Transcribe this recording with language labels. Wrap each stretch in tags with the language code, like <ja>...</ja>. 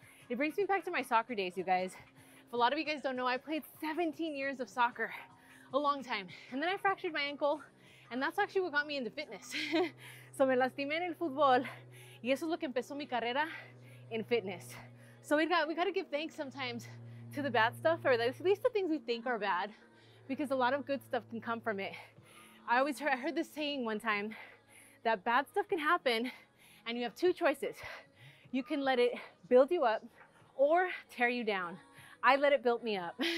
<en>It brings me back to my soccer days, you guys. If a lot of you guys don't know, I played 17 years of soccer, a long time. And then I fractured my ankle, and that's actually what got me into fitness.</en> <es>So me lastimé en el fútbol, y eso es lo que empezó mi carrera</es> <en>in fitness. So we got to give thanks sometimes to the bad stuff, or at least the things we think are bad, because a lot of good stuff can come from it. I heard this saying one time, that bad stuff can happen, and you have two choices. You can let it build you up or tear you down. I let it build me up.</en>